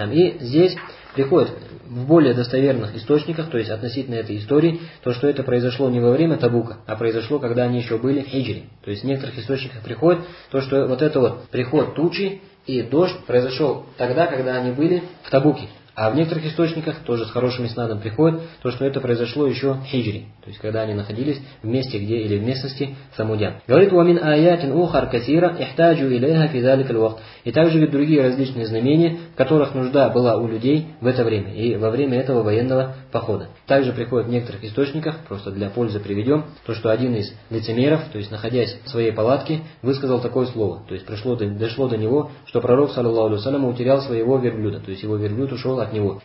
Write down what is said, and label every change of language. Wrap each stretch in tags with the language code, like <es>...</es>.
<ru>И здесь приходит в более достоверных источниках, то есть относительно этой истории, то, что это произошло не во время Табука, а произошло, когда они еще были в хиджре. То есть в некоторых источниках приходит то, что вот это вот приход тучи и дождь произошел тогда, когда они были в Табуке. А в некоторых источниках, тоже с хорошим иснадом приходит, то, что это произошло еще в хиджре, то есть когда они находились в месте, где или в местности Самудян. Говорит,</ru> <ar>وَمِنْ آيَاتٍ أُخَرْ كَثِيرًا إِحْتَاجُوا إِلَيْهَا فِي ذَلِكَ الْوَقْتِ.</ar> <ru>И также ведь другие различные знамения, в которых нужда была у людей в это время и во время этого военного похода. Также приходит в некоторых источниках, просто для пользы приведем, то, что один из лицемеров, то есть находясь в своей палатке, высказал такое слово. То есть дошло до него, что пророк, саллаллаху алейхи ва саллям, утерял своего верблюда, то есть его верблюд ушел от него.</ru>